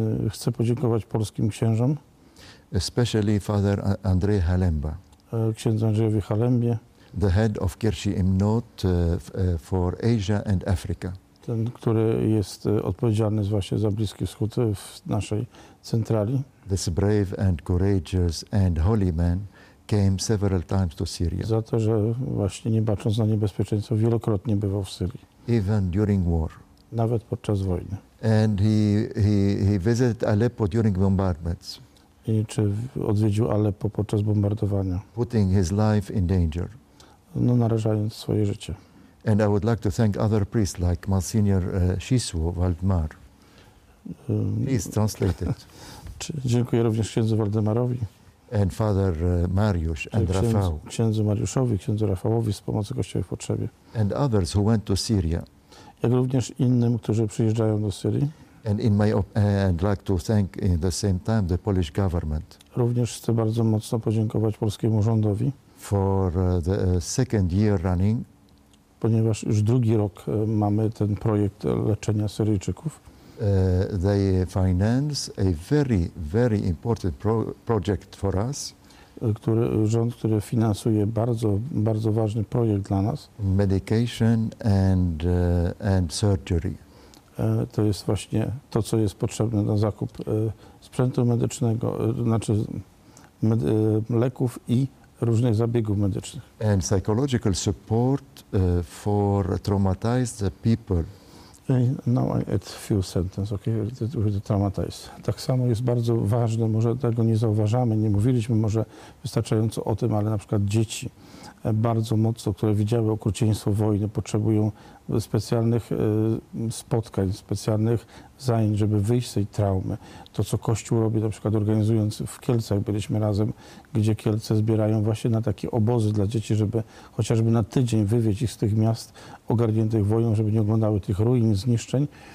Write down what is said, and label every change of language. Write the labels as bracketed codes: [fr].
[pl] Chcę podziękować polskim księżom. [en] Especially Father Andrzej Halemba. [pl] Księdzu Andrzejowi Halembie. [en] The head of Kirchi Imnot for Asia and Africa. [pl] Ten, który jest odpowiedzialny właśnie za Bliski Wschód w naszej centrali. [en] This brave and courageous and holy man came several times to Syria. [pl] Za to, że właśnie nie bacząc na niebezpieczeństwo, wielokrotnie bywał w Syrii. [en] Even during war. [pl] Nawet podczas wojny. [en] And he visited Aleppo during bombardments. [pl] I czy odwiedził Aleppo podczas bombardowania. [en] Putting his life in danger. [pl] No, narażając swoje życie. [en] And I would like to thank other priests like Monsignor Shisuo Waldemar. Please translate it. [pl] Dziękuję również księdzu Waldemarowi. [en] And Father Mariusz and Rafał. [pl] Księdzu Mariuszowi, księdzu Rafałowi z pomocy Kościoła w potrzebie. [en] And others who went to Syria. [pl] Jak również innym, którzy przyjeżdżają do Syrii. [en] And in my I'd like to thank in the same time the Polish government. [pl] Również chcę bardzo mocno podziękować polskiemu rządowi. [en] For the second year running. [pl] Ponieważ już drugi rok mamy ten projekt leczenia Syryjczyków. [en] They finance a very, very important project for us. [pl] Rząd, który finansuje bardzo, bardzo ważny projekt dla nas. [en] Medication and surgery. [pl] To jest właśnie to, co jest potrzebne na zakup sprzętu medycznego, znaczy leków i różnych zabiegów medycznych. [en] And psychological support for traumatized people. Now it's few sentences, okay, with the traumatized. [pl] Tak samo jest bardzo ważne, może tego nie zauważamy, nie mówiliśmy może wystarczająco o tym, ale na przykład dzieci bardzo mocno, które widziały okrucieństwo wojny, potrzebują specjalnych spotkań, specjalnych zajęć, żeby wyjść z tej traumy. To, co Kościół robi, na przykład organizując w Kielcach, byliśmy razem, gdzie Kielce zbierają właśnie na takie obozy dla dzieci, żeby chociażby na tydzień wywieźć ich z tych miast ogarniętych wojną, żeby nie oglądały tych ruin, zniszczeń.